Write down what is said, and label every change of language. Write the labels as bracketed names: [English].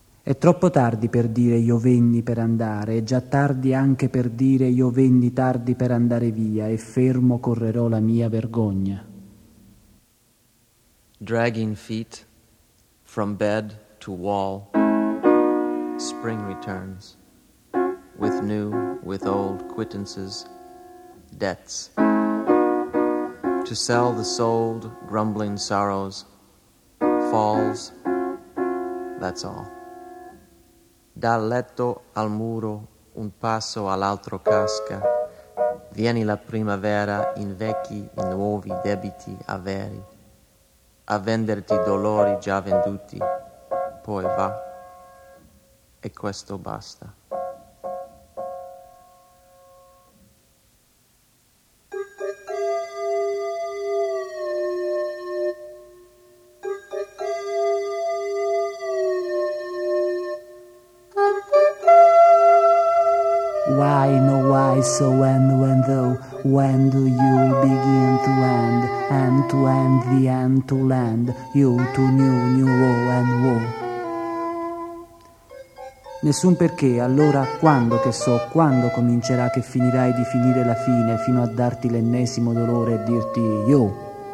[Italian] È troppo tardi per dire io venni per andare, è già tardi anche per dire io venni tardi per andare via, e fermo correrò la mia vergogna. [English] Dragging feet from bed to wall, spring returns, with new, with old quittances, debts. To sell the sold, grumbling sorrows, falls, that's all. [Italian] Dal letto al muro, un passo all'altro casca, vieni la primavera in vecchi, in nuovi debiti averi, a venderti dolori già venduti, poi va, e questo basta. [English] Why, no why, so when though, when do you begin to end, and to end the end to land, you to new, new woe and woe. [Italian] Nessun perché, allora quando che so, quando comincerà che finirai di finire la fine, fino a darti l'ennesimo dolore e dirti io.